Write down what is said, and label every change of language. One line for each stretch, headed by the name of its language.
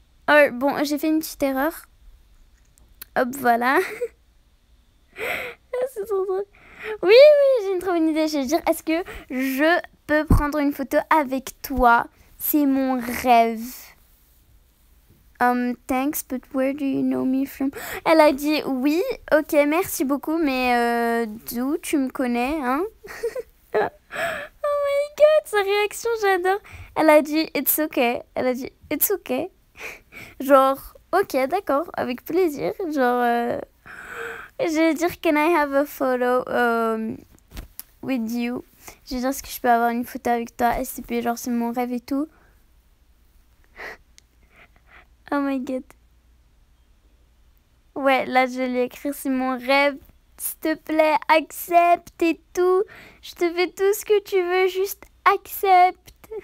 French: Oh, bon, j'ai fait une petite erreur. Hop, voilà. C'est trop drôle. Oui, oui, j'ai une trop bonne idée, je vais dire, est-ce que je peux prendre une photo avec toi? C'est mon rêve.
English: Thanks, but where do you know me from?
French: Elle a dit oui, ok, merci beaucoup, mais d'où tu me connais, hein?
English: Oh my god,
French: sa réaction, j'adore. Elle a dit
English: it's okay.
French: Elle a dit
English: it's okay.
French: Genre, ok, d'accord, avec plaisir. Genre, je vais dire
English: can I have a photo with you?
French: Je vais dire est-ce que je peux avoir une photo avec toi, SCP, genre c'est mon rêve et tout.
English: Oh my god.
French: Ouais, là je vais lui écrire, c'est mon rêve. S'il te plaît, accepte et tout. Je te fais tout ce que tu veux, juste accepte.